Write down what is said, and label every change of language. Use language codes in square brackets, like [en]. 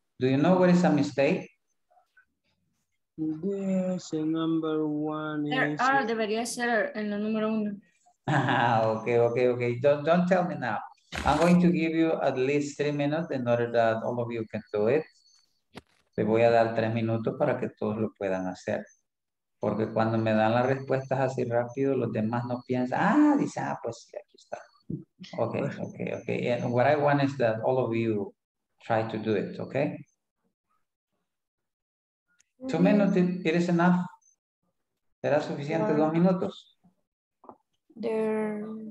[en] Do you know what is a mistake? Yes, number one is... [es] debería ser en la número uno. [en] Okay. Don't tell me now. I'm going to give you at least 3 minutes in order that all of you can do it. [es] Le voy a dar 3 minutos para que todos lo puedan hacer. Porque cuando me dan las respuestas así rápido, los demás no piensan. Pues sí, aquí está. Okay. [en] And what I want is that all of you try to do it, okay? 2 minutes, it is enough. [es] ¿Será suficiente 2 minutos? [en] There.